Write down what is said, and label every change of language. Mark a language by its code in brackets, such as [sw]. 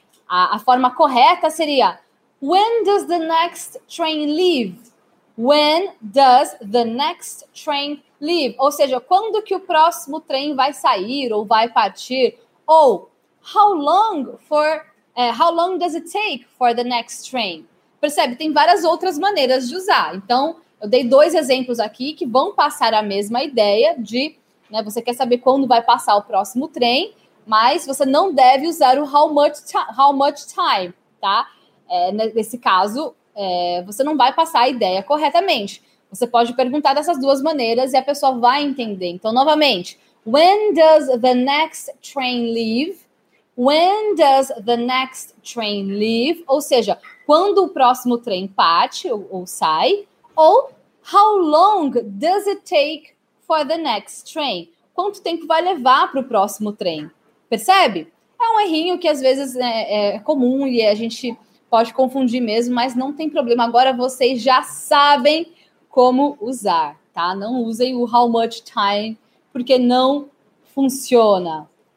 [pt] A forma correta seria [en] when does the next train leave? When does the next train leave? [pt] Ou seja, quando que o próximo trem vai sair ou vai partir? [en] Ou how long does it take for the next train? [pt] Percebe? Tem várias outras maneiras de usar. Então, eu dei dois exemplos aqui que vão passar a mesma ideia de, né, você quer saber quando vai passar o próximo trem, mas você não deve usar o how much time, tá? Nesse caso, você não vai passar a ideia corretamente. Você pode perguntar dessas duas maneiras e a pessoa vai entender. Então, novamente, [en] when does the next train leave? When does the next train leave? [pt] Ou seja, quando o próximo trem parte ou sai? [en] Ou how long does it take for the next train? [pt] Quanto tempo vai levar para o próximo trem? Percebe? É um errinho que às vezes é comum e a gente pode confundir mesmo, mas não tem problema. Agora vocês já sabem como usar, tá? Não usem o how much time, porque não funciona.